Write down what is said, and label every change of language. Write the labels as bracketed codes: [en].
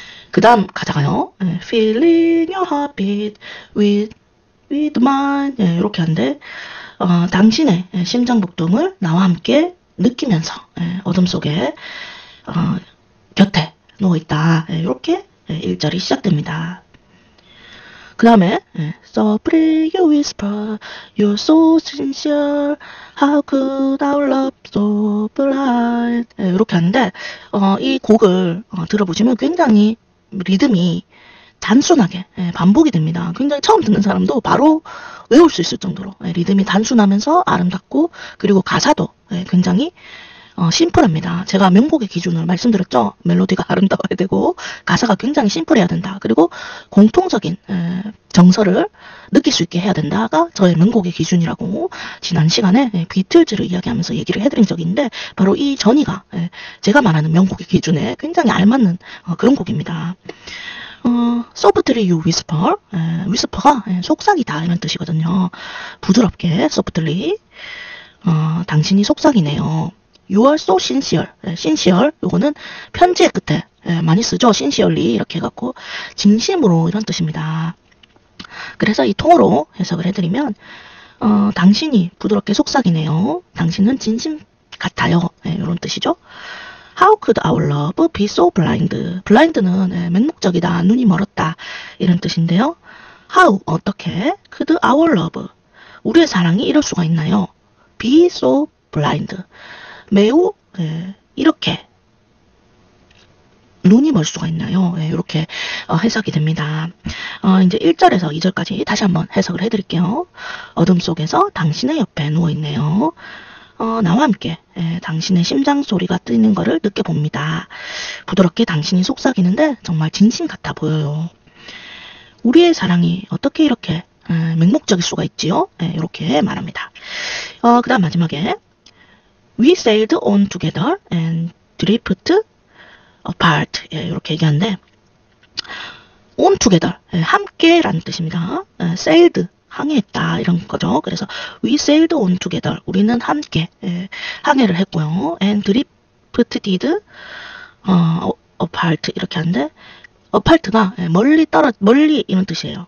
[ko] 그 다음 가사가요. [en] Feeling your heartbeat with mine [ko] 이렇게 하는데 당신의 심장 박동을 나와 함께 느끼면서 어둠 속에 곁에 누워있다. 이렇게 일절이 시작됩니다. 그 다음에 [en] Softly you whisper, you're so sincere. How could our love so blind? [ko] 이렇게 하는데 이 곡을 들어보시면 굉장히 리듬이 단순하게 반복이 됩니다. 굉장히 처음 듣는 사람도 바로 외울 수 있을 정도로 리듬이 단순하면서 아름답고 그리고 가사도 굉장히 심플합니다. 제가 명곡의 기준을 말씀드렸죠. 멜로디가 아름다워야 되고 가사가 굉장히 심플해야 된다. 그리고 공통적인 정서를 느낄 수 있게 해야 된다가 저의 명곡의 기준이라고 지난 시간에 비틀즈를 이야기하면서 얘기를 해드린 적이 있는데 바로 이 전이가 제가 말하는 명곡의 기준에 굉장히 알맞는 그런 곡입니다. [en] Softly you whisper, [ko] whisper가 속삭이다 이런 뜻이거든요. 부드럽게 softly 당신이 속삭이네요. [en] You are so sincere. sincere. [ko] 요거는 편지의 끝에 많이 쓰죠. [en] sincerely. [ko] 이렇게 해갖고, 진심으로 이런 뜻입니다. 그래서 이 통으로 해석을 해드리면, 당신이 부드럽게 속삭이네요. 당신은 진심 같아요. 이런 뜻이죠. [en] How could our love be so blind? [ko] blind는 맹목적이다. 눈이 멀었다. 이런 뜻인데요. How, 어떻게, [en] could our love [ko] 우리의 사랑이 이럴 수가 있나요? [en] Be so blind. [ko] 매우 이렇게 눈이 멀 수가 있나요? 이렇게 해석이 됩니다. 이제 1절에서 2절까지 다시 한번 해석을 해드릴게요. 어둠 속에서 당신의 옆에 누워있네요. 나와 함께 당신의 심장 소리가 뛰는 거를 느껴봅니다. 부드럽게 당신이 속삭이는데 정말 진심 같아 보여요. 우리의 사랑이 어떻게 이렇게 맹목적일 수가 있지요? 이렇게 말합니다. 그 다음 마지막에 [en] We sailed on together and drifted apart. [ko] 이렇게 얘기하는데 on together, 함께라는 뜻입니다. sailed, 항해했다 이런 거죠. 그래서 [en] We sailed on together, [ko] 우리는 함께 항해를 했고요. [en] and drifted apart [ko] 이렇게 하는데 어팔트가 멀리 이런 뜻이에요.